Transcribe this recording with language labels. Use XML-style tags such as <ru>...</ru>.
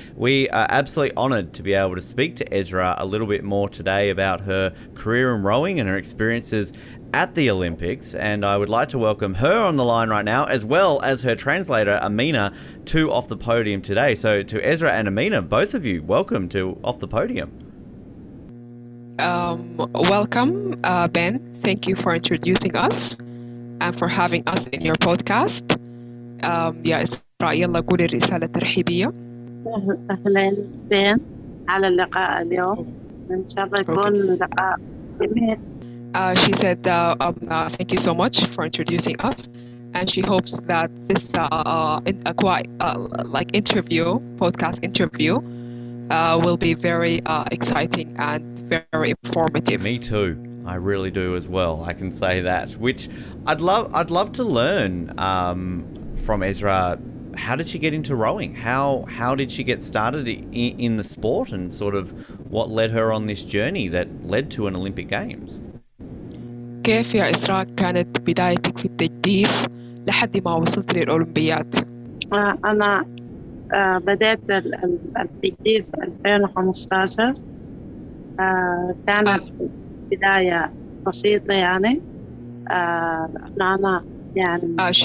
<en>We are absolutely honored to be able to speak to Ezra a little bit more today about her career in rowing and her experiences at the Olympics, and I would like to welcome her on the line right now, as well as her translator, Amina, to Off the Podium today. So to Ezra and Amina, both of you, welcome to Off the Podium. Welcome, Ben. Thank you for introducing us and for having us in your podcast. Yeah, it's</en> <ar>رايلا قولي رسالة ترحيبية. أهلاً بن على اللقاء اليوم. إن شاء الله يكون لقاء جميل.</ar> <en>She said, thank you so much for introducing us. And she hopes that this interview, podcast interview, will be very exciting and very informative. Me too. I really do as well. I can say that. Which I'd love to learn from Ezra. How did she get into rowing? How did she get started in the sport, and sort of what led her on this journey that led to an Olympic Games?</en> <ar>كيف يا إسراء كانت بدايتك في التجديف لحد ما وصلت للأولمبيات؟ أنا بدأت التجديف 2015 كانت بداية بسيطة يعني أنا يعني</ar>